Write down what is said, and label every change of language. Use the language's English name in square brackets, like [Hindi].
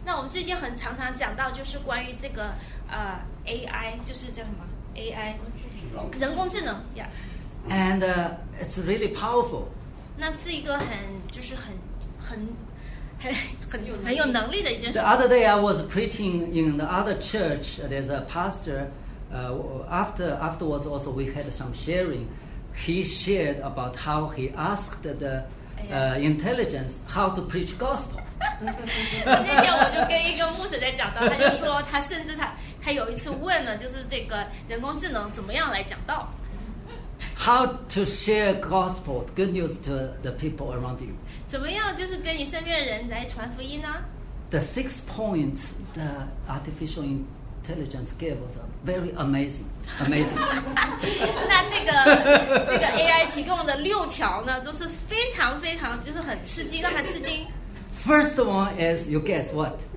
[Chinese] 那我们最近很常常讲到就是关于这个AI, 就是叫什么 AI, 人工智能 yeah. [English] And it's really powerful. [Chinese] 那是一个很就是很很有能力的一件事。 [English] The other day I was preaching in the other church. There's a pastor. Afterwards also we had some sharing. He shared about how he asked the intelligence how to preach gospel. [Chinese] 那天我就跟一个牧师在讲道，他就说他甚至他有一次问了，就是这个人工智能怎么样来讲道。 [English] How to share gospel, good news to the people around you? [Chinese] 怎么样就是跟你身边的人来传福音呢？ [English] The sixth point the artificial intelligence gave us are very amazing, amazing. [Chinese] 那这个 AI 提供的六条呢，都是非常非常就是很吃惊，让他吃惊。 [English] First one is you guess what?